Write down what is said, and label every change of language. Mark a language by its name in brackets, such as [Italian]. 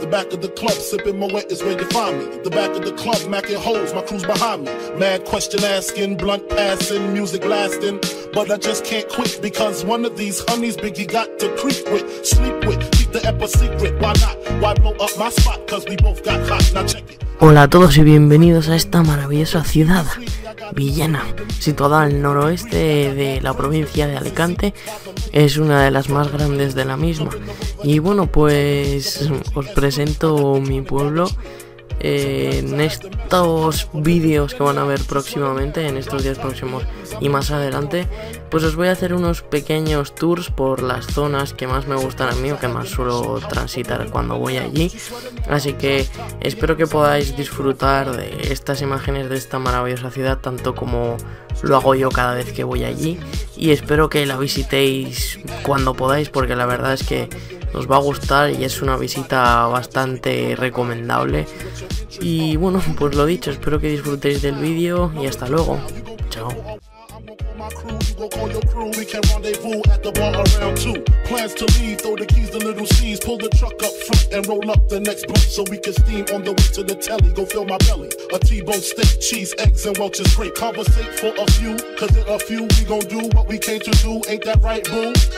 [English] The back of the club, sipping Moet is where you find me. The back of the club, macking holes, my crew's behind me. Mad question asking, blunt passing, music blasting. But I just can't quit, because one of these honeys Biggie got to creep with, sleep with, keep the epic secret. Why not? Why blow up my spot? Cause we both got hot, now check it. [Spanish] Hola a todos y bienvenidos a esta maravillosa ciudad, Villena, situada al noroeste de la provincia de Alicante. Es una de las más grandes de la misma. Y bueno, pues os presento mi pueblo en estos vídeos que van a ver próximamente, en estos días próximos y más adelante. Pues os voy a hacer unos pequeños tours por las zonas que más me gustan a mí o que más suelo transitar cuando voy allí. Así que espero que podáis disfrutar de estas imágenes de esta maravillosa ciudad tanto como lo hago yo cada vez que voy allí. Y espero que la visitéis cuando podáis, porque la verdad es que os va a gustar y es una visita bastante recomendable. Y bueno, pues lo dicho, espero que disfrutéis del vídeo y hasta luego. Chao. [English] My crew, you go call your crew, we can rendezvous at the bar around 2. Plans to leave, throw the keys to little C's, pull the truck up front and roll up the next block so we can steam on the way to the telly. Go fill my belly, a T-bone steak, cheese, eggs and Welch's grape. Conversate for a few, cause in a few we gon' do what we came to do. Ain't that right, boo?